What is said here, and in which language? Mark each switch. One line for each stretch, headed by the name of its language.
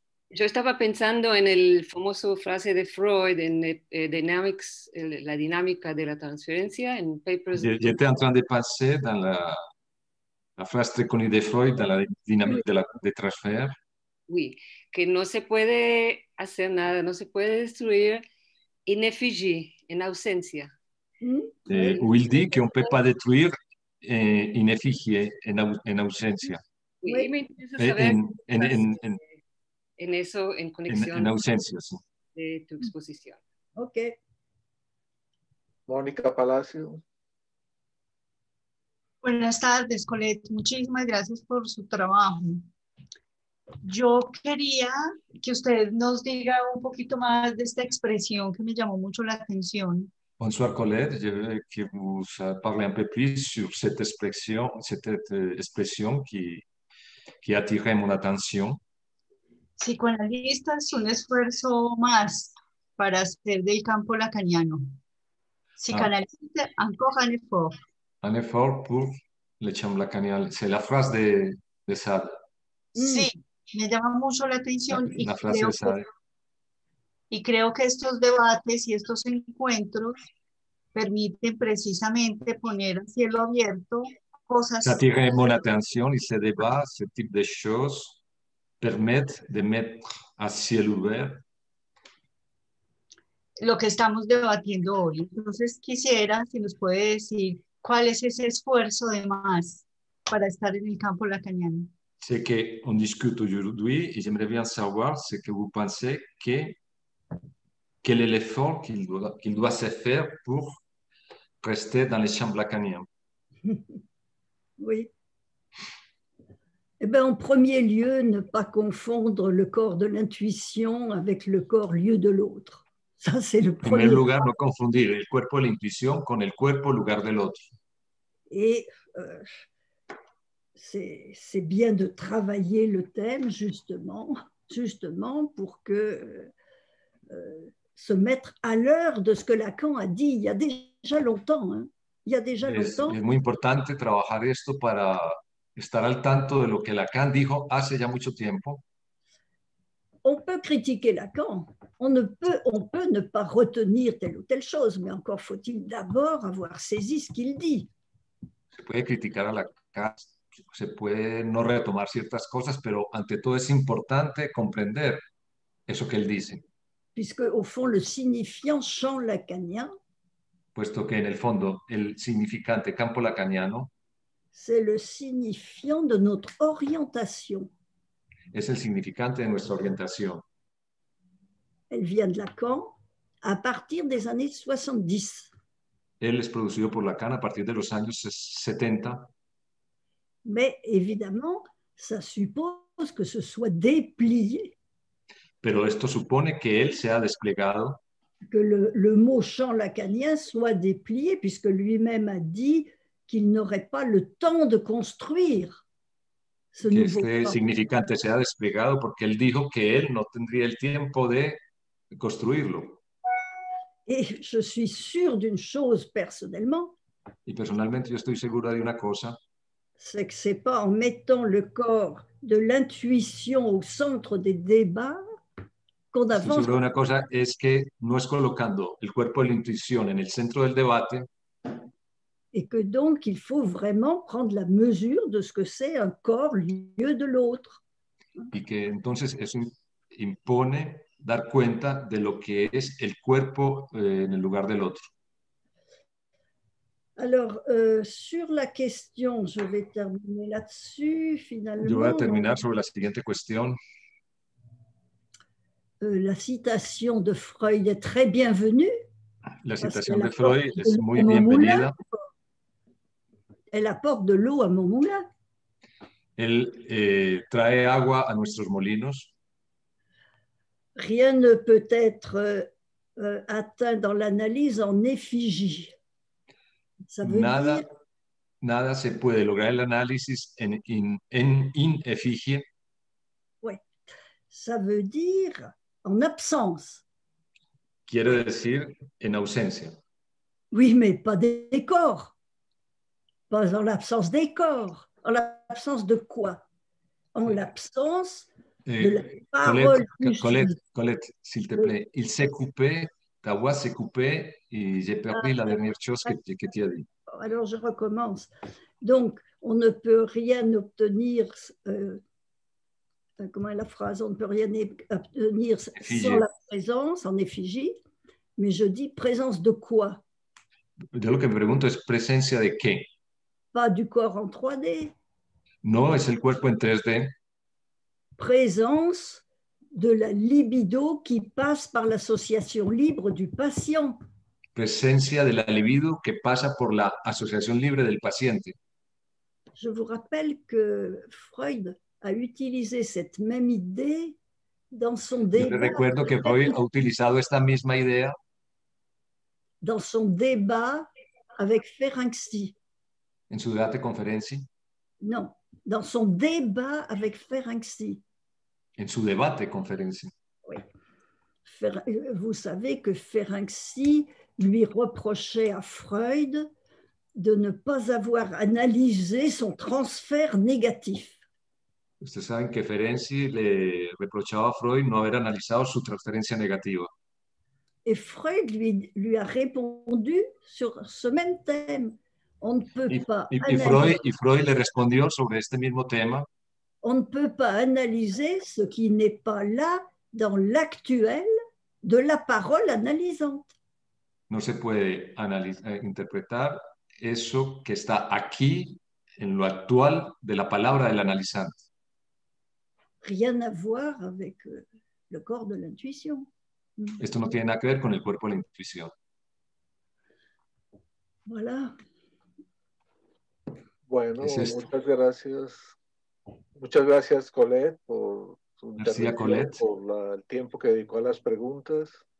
Spanish: Yo estaba pensando en el famoso frase de Freud en Dynamics, la dinámica de la transferencia en Papers. Yo estaba en
French: train de
Spanish: pasar en la frase
French: très connue
Spanish: de Freud en la dinámica de transfer.
French: Oui.
Spanish: Que no se puede hacer nada, no se puede destruir en effigie, en ausencia.
French: Où il dit qu'on ne peut pas détruire en effigie,
Spanish: en ausencia. En ausencia, sí. De tu exposición. Ok. Mónica Palacio. Buenas tardes, Colette. Muchísimas gracias por su trabajo. Yo quería que usted nos diga un poquito más de esta expresión que me llamó mucho la atención.
French: Bonsoir, Colette. Je veux que vous parlez un peu plus sur cette expression qui a attiré mon attention.
Spanish: Psicoanalista es un esfuerzo más para hacer del campo lacaniano.
French: Psicoanalista, encore un effort. Un effort pour le champ lacanial. C'est la phrase de Sade.
Spanish: Sí. Me llama mucho la atención y creo que estos debates y estos encuentros permiten precisamente poner al cielo abierto cosas.
French: Attirez-moi l'attention y ce débat, ce type de choses permettent de mettre à ciel ouvert
Spanish: lo que estamos debatiendo hoy. Entonces quisiera si nos puede decir cuál es ese esfuerzo de más para estar en el campo lacaniano.
French: Ce qu'on discute aujourd'hui, et j'aimerais bien savoir ce que vous pensez, quel est l'effort qu'il doit se faire pour rester dans les champs lacaniens. Oui. Eh bien, en premier lieu, ne pas confondre le corps de l'intuition avec le corps lieu de l'autre. Ça, c'est le premier.
Spanish: En premier lugar, no confundir el cuerpo
French: de l'intuition
Spanish: con el cuerpo lugar del otro.
French: Et. C'est bien de travailler le thème justement pour que se mettre à l'heure de ce que Lacan a dit il y a déjà longtemps.
Spanish: Es muy importante trabajar esto para estar al tanto de lo que Lacan dijo hace ya mucho tiempo.
French: On peut critiquer Lacan, on peut ne pas retenir telle ou telle chose, mais encore faut-il d'abord avoir saisi ce qu'il dit.
Spanish: Se puede criticar a Lacan. Se puede no retomar ciertas cosas, pero ante todo es importante comprender eso que él dice.
French: Puisque, au fond, le signifiant champ lacanien,
Spanish: puesto que en el fondo el significante campo lacaniano
French: c'est le signifiant de notre orientation.
Spanish: Es el significante de nuestra orientación.
French: Elle vient de Lacan a partir des années 70.
Spanish: Él es producido por Lacan a partir de los años 70.
French: Mais évidemment, ça suppose que ce soit déplié.
Spanish: Pero esto supone que él se ha desplegado.
French: Que le mot champ lacanien soit déplié, puisque lui-même a dit qu'il n'aurait pas le temps de construire ce que nouveau
Spanish: este significante se ha desplegado porque él dijo que él no tendría el tiempo de construirlo.
French: Et je suis sûre d'une chose personnellement.
Spanish: Y personalmente yo estoy segura de una cosa.
French: C'est que ce n'est pas en mettant le corps de l'intuition au centre des débats qu'on avance.
Spanish: Sí, una cosa es que no es colocando el cuerpo de la intuición en el centro del debate
French: et que donc il faut vraiment prendre la mesure de ce que c'est un corps lieu de l'autre.
Spanish: Y que entonces eso impone dar cuenta de lo que es el cuerpo en el lugar del otro.
French: Alors, sur la question, je vais terminer là-dessus, finalement.
Spanish: Yo voy a terminar sobre la siguiente cuestión.
French: La citation de Freud est très bienvenue.
Spanish: La citation de Freud es muy bienvenida.
French: Elle apporte de l'eau à mon moulin.
Spanish: Él trae agua a nuestros molinos.
French: Rien ne peut être atteint dans l'analyse en effigie. Ça veut
Spanish: nada,
French: dire...
Spanish: nada se puede lograr el análisis en efigie.
French: Oui, ça veut dire en absence.
Spanish: Quiero decir en ausencia.
French: Oui, mais pas des corps. Pas en l'absence des corps. En l'absence de quoi? En l'absence de la parole. Colette, s'il te plaît, il s'est coupé. Ta voix s'est coupée et j'ai perdu la dernière chose que tu as dit. Alors, je recommence. Donc, on ne peut rien obtenir, comment est la phrase ? On ne peut rien obtenir effigie. Sans la présence, en effigie. Mais je dis présence de quoi ?
Spanish: De lo que me pregunto es presencia de qué ?
French: Pas du corps en 3D.
Spanish: No, es el cuerpo en 3D.
French: Présence de la libido qui passe par l'association libre du patient.
Spanish: Presencia de la libido que pasa por la asociación libre del paciente.
French: Je vous rappelle que Freud a utilisé cette même idée dans son débat.
Spanish: Yo le recuerdo que Freud ha utilizado esta misma idea
French: dans son débat avec Ferenczi.
Spanish: En su debate con Ferenczi.
French: Non, dans son débat avec Ferenczi.
Spanish: En su debate con Ferenczi.
French: Oui. Vous savez que Ferenczi lui reprochait à Freud de ne pas avoir analysé son transfert négatif.
Spanish: Ustedes saben que Ferenczi le reprochaba a Freud no haber analizado su transferencia negativa.
French: Et Freud lui a répondu sur ce même thème. On ne peut pas analyser.
Spanish: Freud le respondió sobre este mismo tema.
French: On ne peut pas analyser ce qui n'est pas là dans l'actuel de la parole analysante.
Spanish: No se puede interpretar eso que está aquí en lo actual de la palabra del analizante.
French: Rien à voir avec le corps de l'intuition.
Spanish: Esto no tiene nada que ver con el cuerpo de la intuición.
French: Voilà.
Spanish: Bueno, es esto. Muchas gracias. Muchas gracias, Colette, por su gracias, Colette. Por el tiempo que dedicó a las preguntas.